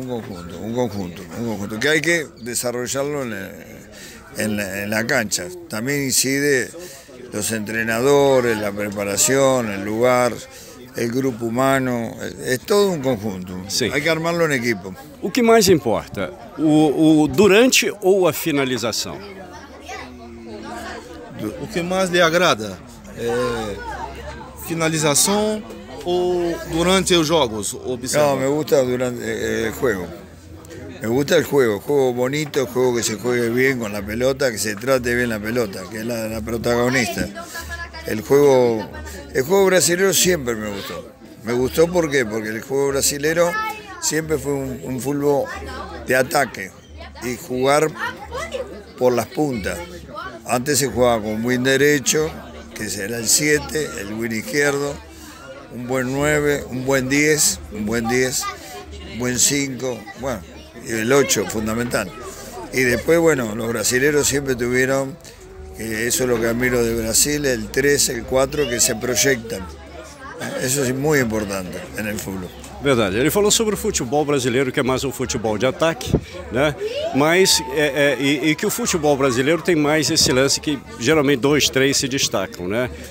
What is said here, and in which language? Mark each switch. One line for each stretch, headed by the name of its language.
Spanish: Un conjunto, que hay que desarrollarlo en la cancha. También incide los entrenadores, la preparación, el lugar, el grupo humano, es todo un conjunto. Sí. Hay que armarlo en equipo.
Portuguese: O que mais importa, o durante ou a finalização? O que mais lhe agrada? É finalização ou durante os jogos? Não,
Spanish: me gusta
Portuguese: durante o jogo.
Spanish: Me gusta
Portuguese: o jogo. Jogo bonito, jogo que
Spanish: se juegue
Portuguese: bem com a pelota, que se trate bem a pelota, que é a protagonista. O jogo brasileiro sempre me gustou. Me gustou por quê? Porque o jogo brasileiro
Spanish: siempre fue un fútbol de ataque y jugar por las puntas. Antes se jugaba con un win derecho, que era el 7, el win izquierdo, un buen 9, un buen 10, un buen 5, bueno, y el 8, fundamental. Y después, bueno, los brasileros siempre tuvieron, eso es lo que admiro de Brasil, el 3, el 4, que se proyectan. Eso es muy importante en el fútbol.
Portuguese: Verdade, ele falou sobre o futebol brasileiro, que é mais um futebol de ataque, né? Mas, e que o futebol brasileiro tem mais esse lance que geralmente dois, três se destacam, né?